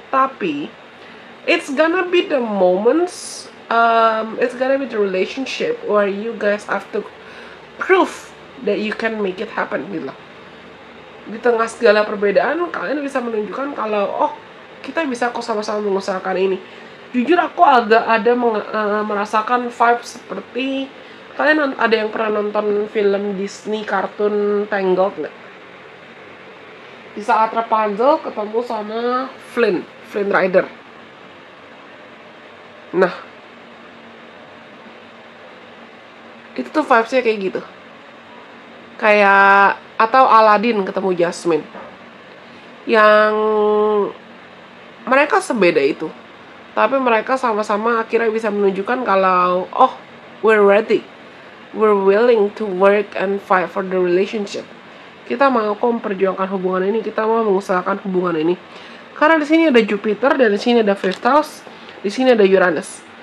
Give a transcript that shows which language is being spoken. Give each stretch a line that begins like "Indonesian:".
English: Tapi, it's gonna be the moments, it's gonna be the relationship where you guys have to prove that you can make it happen, gitu.
Indonesian: Di tengah segala perbedaan, kalian bisa menunjukkan kalau, oh, kita bisa kok sama-sama mengusahakan ini. Jujur, aku agak ada merasakan vibe seperti Kalian ada yang pernah nonton film Disney kartun Tangled nggak? Di saat Rapunzel ketemu sama Flynn, Flynn Rider. Nah, itu tuh vibesnya kayak gitu. Kayak, atau Aladdin ketemu Jasmine. Yang mereka sebeda itu, tapi mereka sama-sama akhirnya bisa menunjukkan kalau, oh,
English: we're ready. We're willing to work and fight for the relationship.
Indonesian: Kita mau kok memperjuangkan hubungan ini, kita mau mengusahakan hubungan ini. Karena di sini ada Jupiter dan di sini ada Fifth House, di sini ada Uranus.